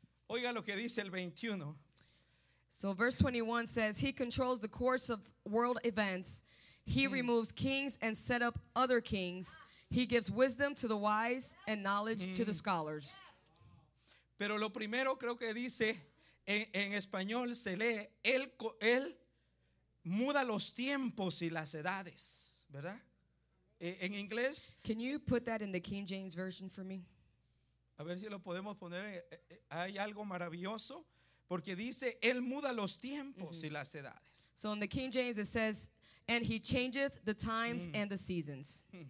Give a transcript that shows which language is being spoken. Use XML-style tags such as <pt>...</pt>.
<es>Oiga lo que dice el 21.</es> <en>So verse 21 says, he controls the course of world events. He removes kings and set up other kings. He gives wisdom to the wise and knowledge to the scholars.</en> <es>Pero lo primero creo que dice en español se lee él muda los tiempos y las edades, ¿verdad? En inglés.</es> <en>Can you put that in the King James version for me?</en> <es>A ver si lo podemos poner. Hay algo maravilloso porque dice él muda los tiempos y las edades.</es> <en>So in the King James it says, and he changeth the times and the seasons.</en>